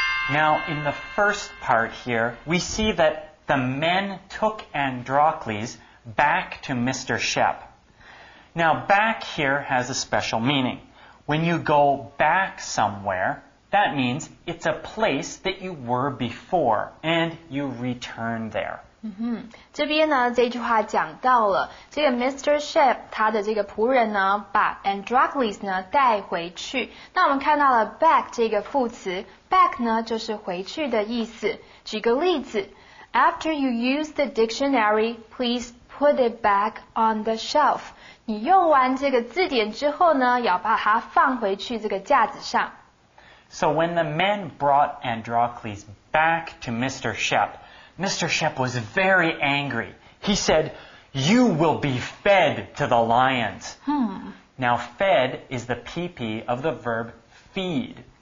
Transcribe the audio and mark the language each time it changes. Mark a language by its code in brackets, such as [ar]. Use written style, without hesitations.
[en] Now, in the first part here, we see that the men took Androcles back to Mr. Shep. Now, back here has a special meaning. When you go back somewhere, that means it's a place that you were before, and you return there. [zh] 这边呢，这句话讲到了，这个 Mr. Shep 他的这个仆人呢，把 Androcles 呢带回去。那我们看到了 back 这个副词 ，back 呢就是回去的意思。举个例子 [en] ，After you use the dictionary, please put it back on the shelf. [zh] 你用完这个字典之后呢，要把它放回去这个架子上。 [en] So when the men brought Androcles back to Mr. Shep, Mr. Shep was very angry. He said, "You will be fed to the lions." Now, fed is the PP of the verb feed.